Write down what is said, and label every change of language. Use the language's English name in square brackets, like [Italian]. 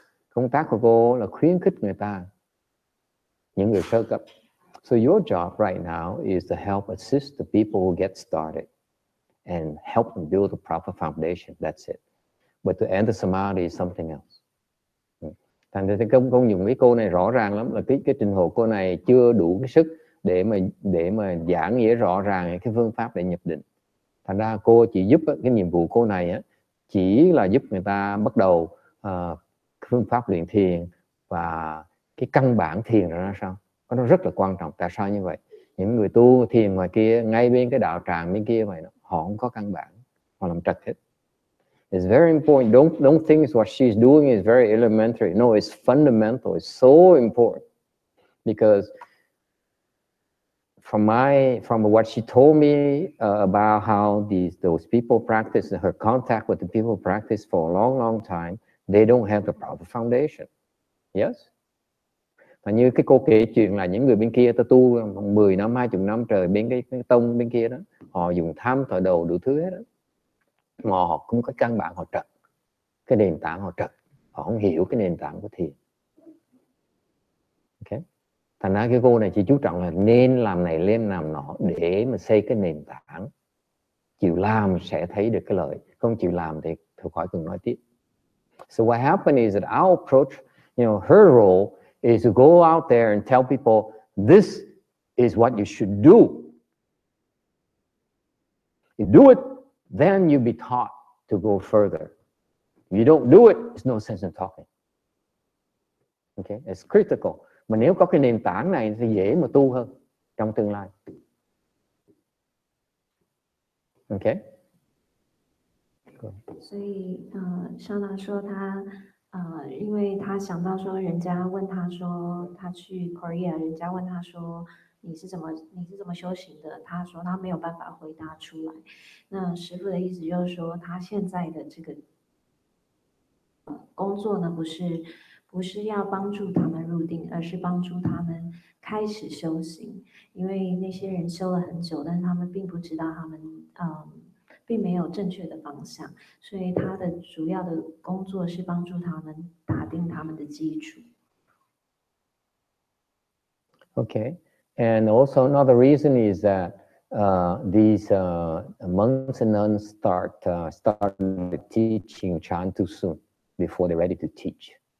[Vietnamese] Công tác của cô là khuyến khích người ta. Những người sơ cấp. [English] So your job right now is to help assist the people who get started and help them build the proper foundation. That's it. But to enter samadhi is something else. [Vietnamese] Thành ra thì công dụng với cô này rõ ràng lắm, là cái trình độ cô này chưa đủ cái sức để mà giảng nghĩa rõ ràng cái phương pháp để nhập định. Thành ra cô chỉ giúp cái nhiệm vụ cô này chỉ là giúp người ta bắt đầu phương pháp luyện thiền và cái căn bản thiền ra sao, nó rất là quan trọng. Tại sao như vậy? Những người tu thiền ngoài kia, ngay bên cái đạo tràng bên kia vậy, họ không có căn bản, họ làm trật hết. [English] It's very important. Don't think what she's doing is very elementary. No, it's fundamental. It's so important because from what she told me about how those people practice, her contact with the people practice for a long, long time, they don't have the proper foundation. Yes. [Vietnamese] Và như cái cô kể chuyện là những người bên kia ta tu 10 năm, 20 năm trời bên cái tông bên kia đó, họ dùng tham thọ đồ đủ thứ hết đó. Mà họ cũng có căn bản họ trật, cái nền tảng họ trật, họ không hiểu cái nền tảng của thiền. Okay. Thành ra cái cô này chỉ chú trọng là nên làm này lên làm nọ để mà xây cái nền tảng. Chịu làm sẽ thấy được cái lợi, không chịu làm thì thôi khỏi cần nói tiếp. [English] So what happened is that our approach, you know, her role is to go out there and tell people, this is what you should do. You do it, then you be taught to go further. You don't do it, it's no sense in talking. Okay, it's critical. [Vietnamese] Mà nếu có cái nền tảng này thì dễ mà tu hơn trong tương lai. [English] Okay. So, [Chinese] 因为他想到说，人家问他说，他去 Korea， 人家问他说，你是怎么修行的？他说他没有办法回答出来。那师父的意思就是说，他现在的这个工作呢，不是要帮助他们入定，而是帮助他们开始修行。因为那些人修了很久，但是他们并不知道他们并没有正确的方向，所以他的主要的工作是帮助他们打定他们的基础。 [English] Okay, and also another reason is that these monks and nuns start teaching Chan too soon before they're ready to teach.